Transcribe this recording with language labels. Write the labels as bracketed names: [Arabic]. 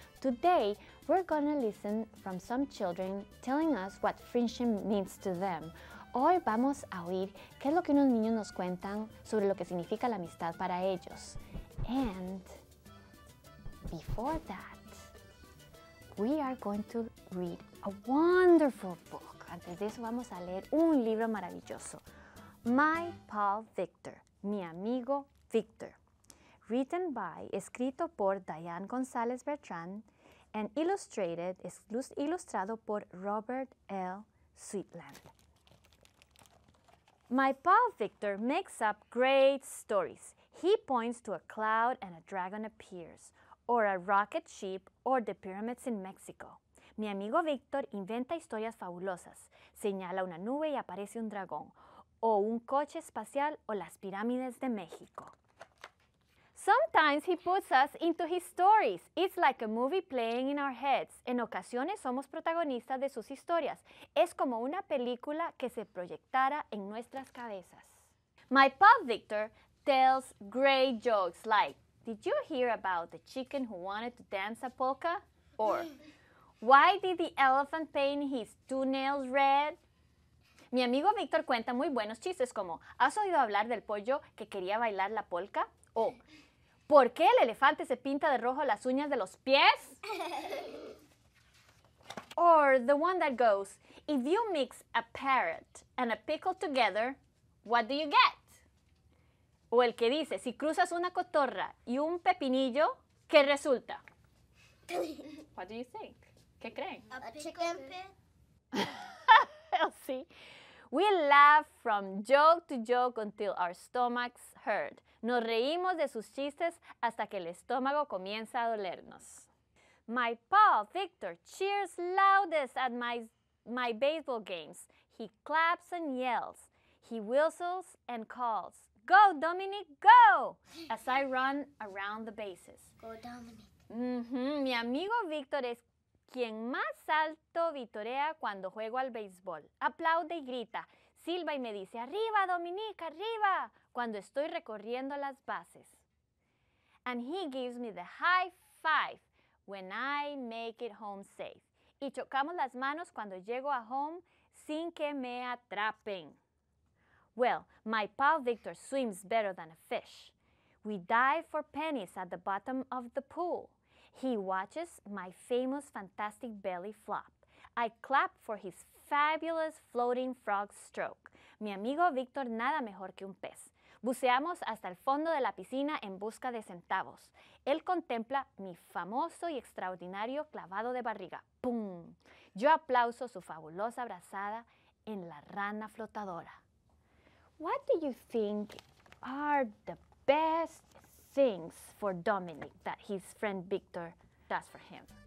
[English] Today, we're gonna listen from some children telling us what friendship means to them. [Spanish] Hoy vamos a oír qué es lo que unos niños nos cuentan sobre lo que significa la amistad para ellos. [English] And before that, we are going to read a wonderful book. [Spanish] Antes de eso, vamos a leer un libro maravilloso. [English] My Pal Victor, [Spanish] mi amigo Victor. [English] Written by, [Spanish] escrito por [English] Diane González Bertrand and illustrated, ilustrado por Robert L. Sweetland. My Pal Victor makes up great stories. He points to a cloud and a dragon appears, or a rocket ship, or the pyramids in Mexico. [Spanish] Mi amigo Victor inventa historias fabulosas. Señala una nube y aparece un dragón. O un coche espacial o las pirámides de México. [English] Sometimes he puts us into his stories. It's like a movie playing in our heads. [Spanish] En ocasiones somos protagonistas de sus historias. Es como una película que se proyectara en nuestras cabezas. [English] My pal Victor tells great jokes like, did you hear about the chicken who wanted to dance a polka? Or, why did the elephant paint his two nails red? [Spanish] Mi amigo Víctor cuenta muy buenos chistes como, ¿has oído hablar del pollo que quería bailar la polca? O, ¿por qué el elefante se pinta de rojo las uñas de los pies? [English] Or the one that goes, if you mix a parrot and a pickle together, what do you get? [Spanish] O el que dice, si cruzas una cotorra y un pepinillo, ¿qué resulta? [English] What do you think? [Spanish] ¿Qué creen? [English] A chicken pit. [Spanish] Sí. [English] We laugh from joke to joke until our stomachs hurt. [Spanish] Nos reímos de sus chistes hasta que el estómago comienza a dolernos. [English] My pal Victor cheers loudest at my baseball games. He claps and yells. He whistles and calls. Go, Dominic, go! As I run around the bases. Go, Dominic. Mm-hmm. [Spanish] Mi amigo Victor es quien más alto vitorea cuando juego al béisbol. Aplaude y grita. Silba y me dice, ¡arriba, Dominique, arriba! Cuando estoy recorriendo las bases. [English] And he gives me the high five when I make it home safe. [Spanish] Y chocamos las manos cuando llego a home sin que me atrapen. [English] Well, my pal Victor swims better than a fish. We dive for pennies at the bottom of the pool. He watches my famous fantastic belly flop. I clap for his fabulous floating frog stroke. [Spanish] Mi amigo Victor nada mejor que un pez. Buceamos hasta el fondo de la piscina en busca de centavos. Él contempla mi famoso y extraordinario clavado de barriga. ¡Pum! Yo aplauso su fabulosa brazada en la rana flotadora. [English] What do you think are the best things for Dominic that his friend Victor does for him?